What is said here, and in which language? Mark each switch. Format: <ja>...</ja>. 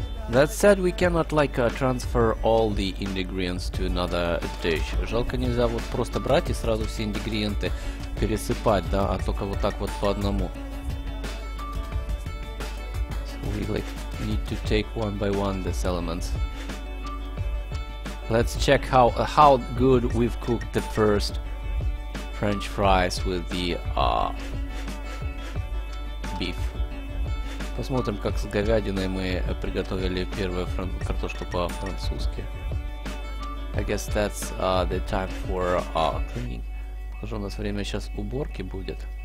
<en>That said, we cannot like transfer all the ingredients to another dish.</en> <ru>Жалко, нельзя вот просто брать и сразу все ингредиенты пересыпать, да, а только вот так вот по одному.</ru> <en>So we like need to take one by one these elements. Let's check how good we've cooked the first French fries with the beef.</en> <ru>Посмотрим, как с говядиной мы приготовили первую картошку по-французски.</ru> <en>I guess that's the time for cleaning.</en> <ru>Похоже, у нас время сейчас уборки будет.</ru>